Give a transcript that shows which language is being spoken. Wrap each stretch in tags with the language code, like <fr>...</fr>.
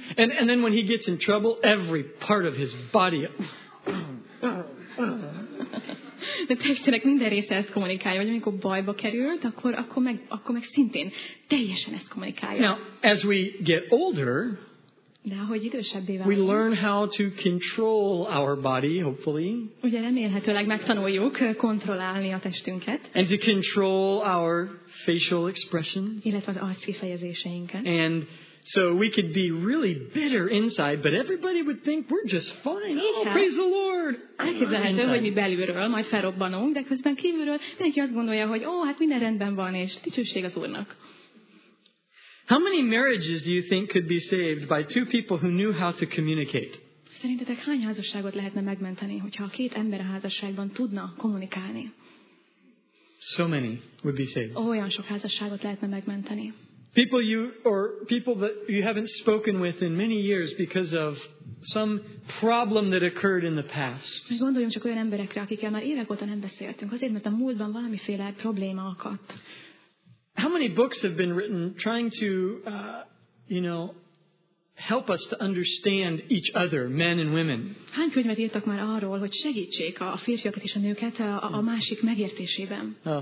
<en>And then when he gets in trouble, every part of his body.</en> <hu>De testének minden része ezt kommunikálja, vagy amikor bajba került, akkor meg szintén teljesen ezt kommunikálja.</hu> <en>Now, as we get older,</en> <hu>de ahogy idősebbé válunk,</hu> <en>we learn how to control our body, hopefully.</en> <hu>Ugye remélhetőleg megtanuljuk kontrollálni a testünket.</hu> <en>And to control our facial expressions. Illetve az arckifejezéseinket. And so we could be really bitter inside, but everybody would think we're just fine. Oh, praise the Lord!</en> <hu>Elképzelhető, hogy mi belülről majd felrobbanunk, de közben kívülről mindenki azt gondolja, hogy ó, hát minden rendben van, és dicsőség az Úrnak.</hu> <en>How many marriages do you think could be saved by two people who knew how to communicate?</en> <hu>Szerintetek hány házasságot lehetne megmenteni, hogyha a két ember a házasságban tudna kommunikálni?</hu> <en>So many would be saved.</en> <hu>Olyan sok házasságot lehetne megmenteni.</hu> <en>People that you haven't spoken with in many years because of some problem that occurred in the past.</en> <hu>Gondoljunk csak olyan emberekre, akikkel már évek óta nem beszéltünk, azért, mert a múltban valamiféle probléma akadt.</hu> <en>How many books have been written trying to, help us to understand each other, men and women?</en> <hu>Hány könyvet írtak már arról, hogy segítsék a férfiakat és a nőket a másik megértésében?</hu>